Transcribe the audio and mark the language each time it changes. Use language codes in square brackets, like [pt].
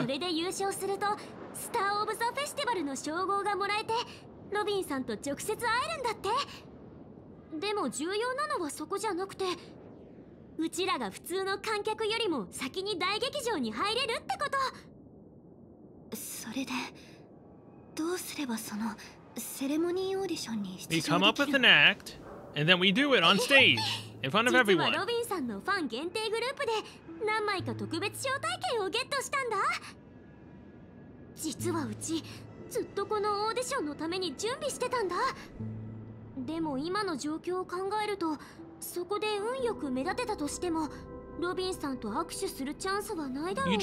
[ja] それで優勝すると、スターオブザフェスティバルの称号がもらえて、ロビンさんと直接会えるんだって。でも重要なのはそこじゃなくて、うちらが普通の観客よりも先に大劇場に入れるってこと。それでどうすればそのセレモニーオーディションに出場できる。 [en] We come up with an act and then we do it on stage in front of everyone. [ja] 実はロビンさんのファン限定グループで何枚か特別招待券をゲットしたんだ。実はうちずっとこのオーディションのために準備してたんだ。でも今の状況を考えると、そこで運よく目立てたとしても、ロビンさんと握手するチャンスはないだろうな。